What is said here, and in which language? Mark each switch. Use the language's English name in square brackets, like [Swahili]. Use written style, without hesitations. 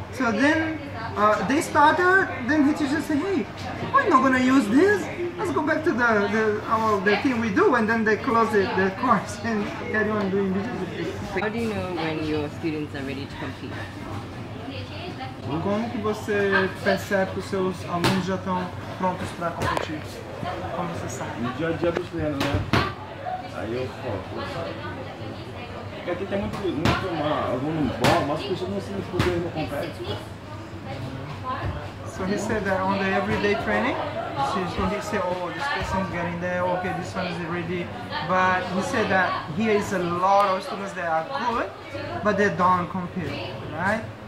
[English] So then they started, then his teacher said, hey, we're not going to use this. Let's go back to the thing we do. And then they close it, the course, and carry on doing this. How do you know when your students are ready to compete? [Portuguese] Como que você percebe que os seus alunos já estão prontos para competir? Como você sabe? No dia a dia do treino, né? Aí eu foco. Porque aqui tem muito aluno bom, mas as pessoas não se inscrevem no competitivo. [English] So he said that on the everyday training, so he said, oh, this person is getting there, okay, this one is ready. But he said that here is a lot of students that are good, but they don't compete, right?